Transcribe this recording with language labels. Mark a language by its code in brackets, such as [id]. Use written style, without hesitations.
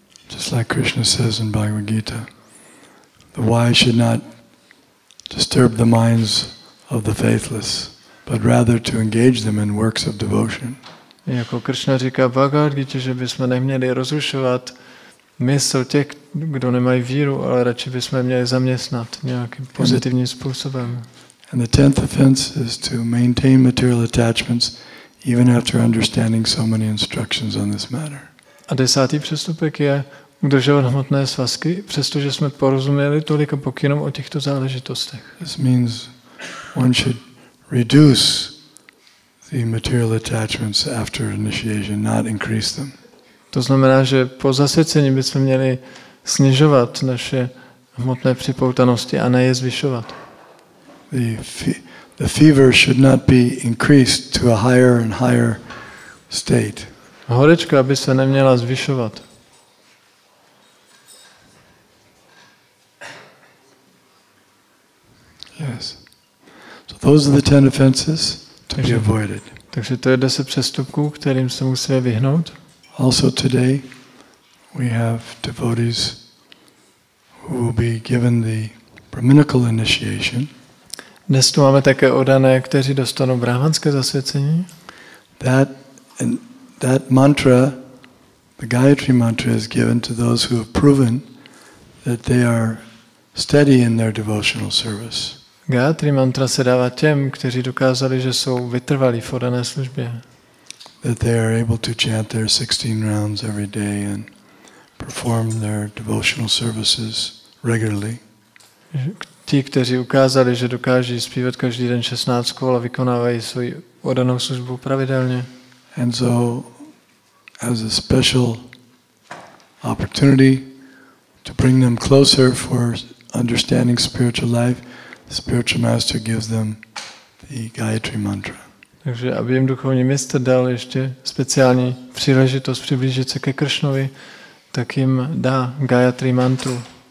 [en] Just like Krishna says in Bhagavad Gita, the wise should not disturb the minds of the faithless, but rather to engage them in works of devotion. [cs] Jako Krishna říká v Bhagavad Gita, že bychom neměli rozrušovat mysl těch, kdo nemají víru, ale radši bychom měli zaměstnat nějakým pozitivním způsobem. [en] And the tenth offense is to maintain material attachments even after understanding so many instructions on this matter. [cs] A desátý přestupek je udržovat hmotné svazky, přestože jsme porozuměli tolika pokynům o těchto záležitostech. [en] This means one should reduce the material attachments after initiation, not increase them. [cs] To znamená, že po zasvěcení bychom měli snižovat naše hmotné připoutanosti a ne je zvyšovat. [en] The fever should not be increased to a higher and higher state. [cs] Horečka by se neměla zvyšovat. [en] Yes. So those are the 10 offenses to be avoided. [cs] Takže to je 10 přestupků, kterým se musíme vyhnout. [en] Also today we have devotees who will be given the brahminical initiation. [cs] Dnes tu máme také oddané, kteří dostanou brahmanské zasvěcení. [en] That mantra, the Gayatri mantra, is given to those who have proven that they are steady in their devotional service. [cs] Gayatri mantra se dává těm, kteří dokázali, že jsou vytrvalí v oddané službě. [en] That they are able to chant their 16 rounds every day and perform their devotional services regularly. [cs] Ti, kteří ukázali, že dokáží zpívat každý den 16 kol a vykonávají svou oddanou službu pravidelně. [en] And so, as a special opportunity to bring them closer for understanding spiritual life, the spiritual master gives them the Gayatri mantra. [cs] Takže aby jim duchovní mistr dal ještě speciální příležitost přiblížit se ke Kršnovi, tak jim dá Gayatri mantru.